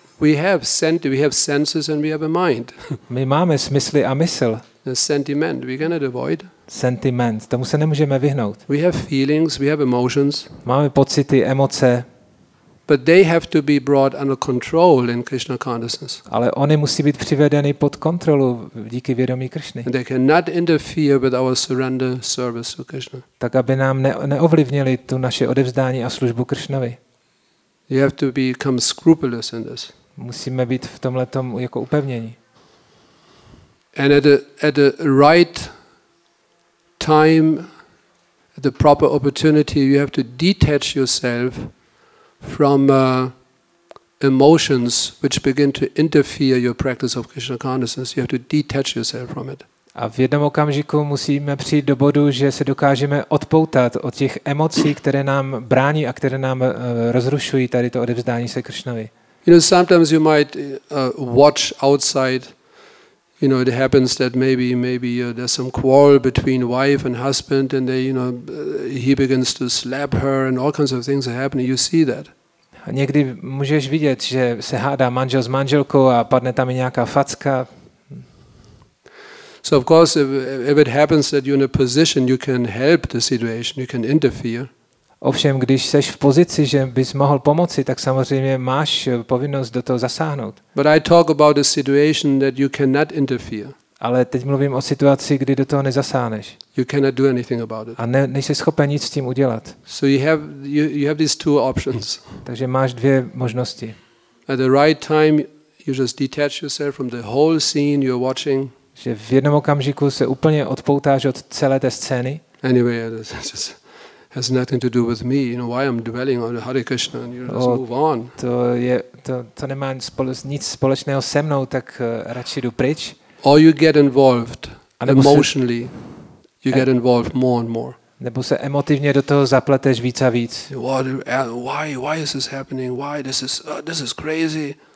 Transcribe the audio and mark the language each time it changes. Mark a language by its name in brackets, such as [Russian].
[English] We have senses and we have a mind. [Czech] My máme smysly a mysl. [English] The sentiment we cannot avoid. [Czech] Sentiment, tomu se nemůžeme vyhnout. [English] We have feelings, we have emotions. [Czech] Máme pocity, emoce. [English] But they have to be brought under control in Krishna consciousness. [Czech] Ale oni musí být přivedeny pod kontrolu díky vědomí Krishny. [English] They cannot interfere with our surrender service to Krishna. [Czech] Tak aby nám neovlivnili tu naše odevzdání a službu Krishnovi. [English] You have to become scrupulous in this. [Czech] Musíme být v tomhle tom jako upevnění. [English] And at the right time, at the proper opportunity, you have to detach yourself from emotions which begin to interfere your practice of Krishna consciousness. You have to detach yourself from it. [Czech] A v jednom okamžiku musíme přijít do bodu, že se dokážeme odpoutat od těch emocí, které nám brání a které nám rozrušují tady to odevzdání se Krishnovi. [English] You know, sometimes you might watch outside. You know, it happens that maybe there's some quarrel between wife and husband, and they, you know, he begins to slap her, and all kinds of things are happening. You see that. [Czech] Někdy můžeš vidět, že se hádá manžel s manželkou a padne tam i nějaká facka. [English] So of course if it happens that you're in a position you can help the situation, you can interfere. [Czech] Ovšem, když seš v pozici, že bys mohl pomoci, tak samozřejmě máš povinnost do toho zasáhnout. [English] But I talk about a situation that you cannot interfere. [Czech] Ale teď mluvím o situaci, kdy do toho nezasáhneš. [English] You cannot do anything about it. [Czech] A nejsi schopen nic s tím udělat. [English] So you have these two options. [Czech] Takže máš dvě možnosti. [English] At the right time you just detach yourself from the whole scene you're watching. [Czech] Že v jednom okamžiku se úplně odpoutáš od celé té scény. [English] Anyway, it has nothing to do with me. You know why I'm dwelling on Hare Krishna and you just move on. [Czech] To nemá nic společného se mnou, tak radši jdu pryč. [English] Or you get involved emotionally. You get involved more and more. [Czech] Nebo se emotivně do toho zapleteš víc a víc. [English] Why is this happening? Why this is crazy?